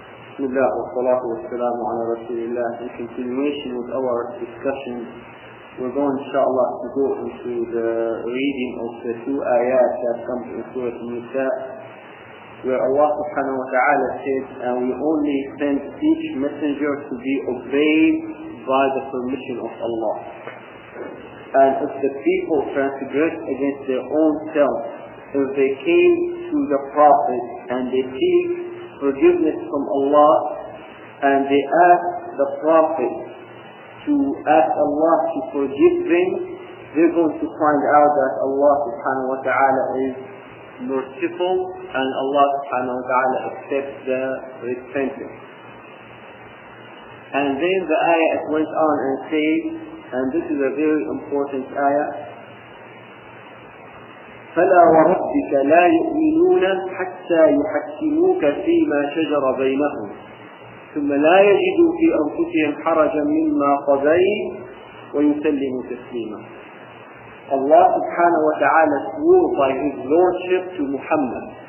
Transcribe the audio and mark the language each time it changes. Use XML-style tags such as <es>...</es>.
<ar>بسم الله والصلاة والسلام على رسول الله.</ar> <en>In continuation with our discussion, we're going, inshaAllah, to go into the reading of the two ayats that come in Surah Nisa, where Allah subhanahu wa ta'ala says, and we only send each messenger to be obeyed by the permission of Allah. And if the people transgressed against their own self, if they came to the Prophet and they seek forgiveness from Allah, and they ask the Prophet to ask Allah to forgive them, they're going to find out that Allah subhanahu wa ta'ala is merciful, and Allah subhanahu wa ta'ala accepts the repentance. And then the ayah it went on and said, and this is a very important ayah,</en> <ar>فَلَا وَرَبِّكَ لَا يُؤْمِنُونَ حَتَّى يُحَكِّمُوكَ فِي مَا شَجَرَ بَيْنَهُمْ ثُمَّ لَا يَجِدُوا فِي أَنفُسِهِمْ حَرَجًا مِمَّا قَضَيْتَ وَيُسَلِّمُوا تَسْلِيمًا.</ar> <en>Allah subhanahu wa ta'ala swore by his lordship to Muhammad.</en>